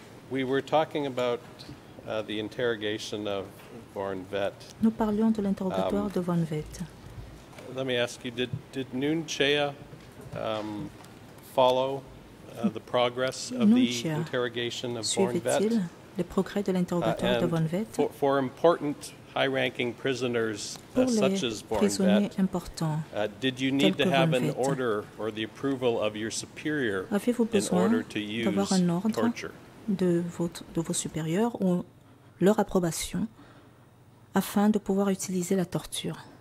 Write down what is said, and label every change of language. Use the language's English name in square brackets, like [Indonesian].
[English] We were talking about the interrogation of Von Vet. [French] Nous parlions de l'interrogatoire de Von Vet. [English] Let me ask you: Did Nguyen Chea follow the progress of the interrogation of Von Vet? [French] Suivait-il les progrès de l'interrogatoire de Von Vet? [English] For important high-ranking prisoners such as Bornvet, did you need to have an order or the approval of your superior in order to use [French] d'avoir un ordre [English] torture [French] de vos supérieurs ou leur approbation afin de pouvoir utiliser la torture?